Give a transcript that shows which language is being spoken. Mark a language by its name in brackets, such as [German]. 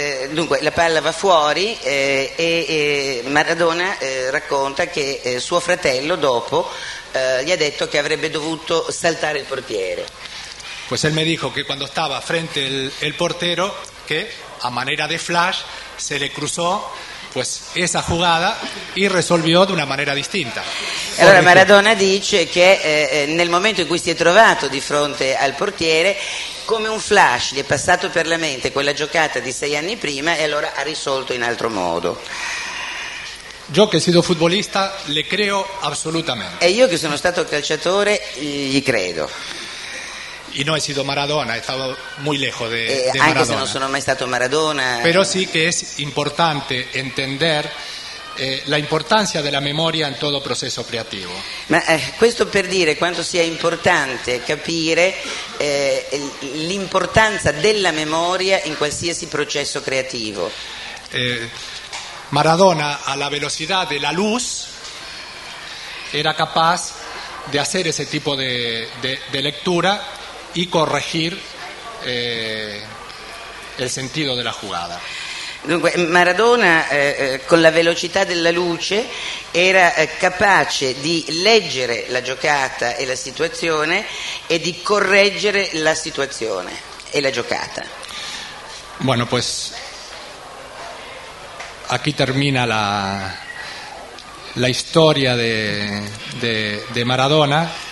[Italian] Dunque la palla va fuori Maradona racconta che suo fratello dopo gli ha detto che avrebbe dovuto saltare il portiere. [Spanish] Pues él me dijo que cuando estaba frente el portero que a manera de flash se le cruzó pues esa jugada y resolvió de una manera distinta. [Italian] Allora Maradona dice che nel momento in cui si è trovato di fronte al portiere, come un flash gli è passato per la mente quella giocata di 6 anni prima e allora ha risolto in altro modo. [Spanish] Yo que he sido futbolista le creo absolutamente. [Italian] E io che sono stato calciatore gli credo. [Spanish] Y no he sido Maradona, he estado muy lejos de Maradona. [Italian] Anche se non sono mai stato Maradona. [Spanish] Pero sí que es importante entender la importancia de la memoria en todo proceso creativo. [Italian] Ma questo per dire quanto sia importante capire l'importanza della memoria in qualsiasi processo creativo. [Spanish] Maradona a la velocidad de la luz era capaz de hacer ese tipo de lectura y corregir el sentido de la jugada. [Italian] Dunque, Maradona con la velocità della luce era capace di leggere la giocata e la situazione e di correggere la situazione e la giocata. [Spanish] Bueno, pues aquí termina la historia de Maradona.